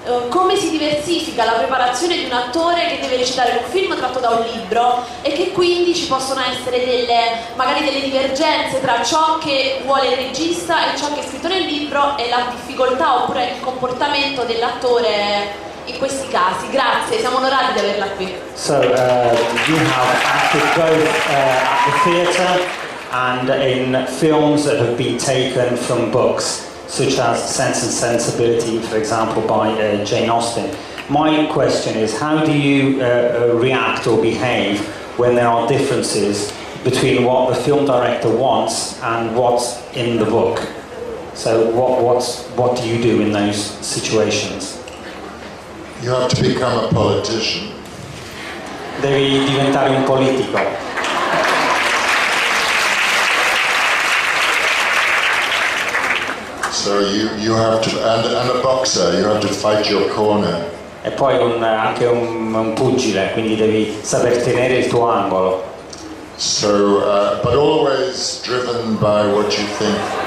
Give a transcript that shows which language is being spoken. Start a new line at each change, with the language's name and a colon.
Italian: come si diversifica la preparazione di un attore che deve recitare un film tratto da un libro e che quindi ci possono essere magari delle divergenze tra ciò che vuole il regista e ciò che è scritto nel libro e la difficoltà oppure il comportamento dell'attore in questi casi? Grazie, siamo onorati di averla qui.
English: So, you have acted both at the theater and in films that have been taken from books, such as Sense and Sensibility, for example, by Jane Austen. My question is, how do you react or behave when there are differences between what the film director wants and what's in the book? So what do you do in those situations? You have to become a politician.
Italian: Devi diventare un politico.
English: So you have to, and a boxer, you have to fight your corner.
Italian: E poi anche un pugile, quindi devi saper tenere il tuo angolo.
English: So, but always driven by what you think.